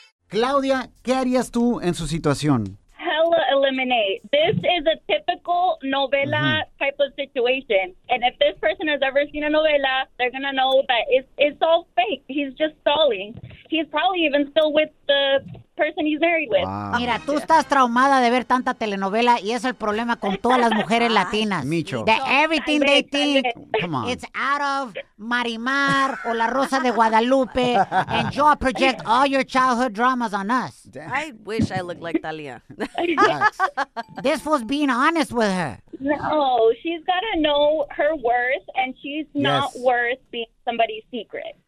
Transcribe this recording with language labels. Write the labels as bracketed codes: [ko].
[es] Claudia, ¿qué harías tú en su situación? [en] Hella eliminate. This is a typical novela type of situation. And if this person has ever seen a novela, they're going to know that it's all fake. He's just stalling. He's probably even still with the person he's married with. Wow. [es] Mira, tú estás traumada de ver tanta telenovela y es el problema con todas las mujeres latinas. Micho. [en] That everything they think, it's out of Marimar o La Rosa de Guadalupe, and you all project all your childhood dramas on us. I wish I looked like Thalia. This was being honest with her. No, she's got to know her worth, and she's not worth being somebody's secret.